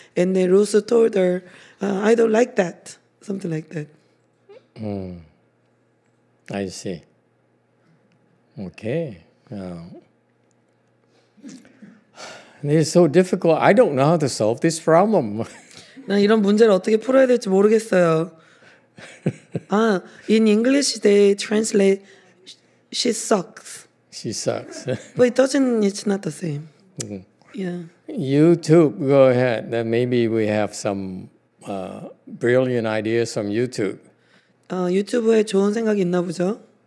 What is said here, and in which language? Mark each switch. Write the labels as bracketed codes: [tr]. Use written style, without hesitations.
[en] And then Rusu told her, "I don't like that." Something like that. Hmm. I see. Okay. Now. It's so difficult. I don't know how to solve this problem. [ko] 나 이런 문제를 어떻게 풀어야 될지 모르겠어요. [en] 아, in English they translate she sucks. She sucks. But it doesn't. It's not the same. Yeah. YouTube, go ahead. Then maybe we have some brilliant ideas from YouTube. [ko] 유튜브에 좋은 생각이 있나 보죠.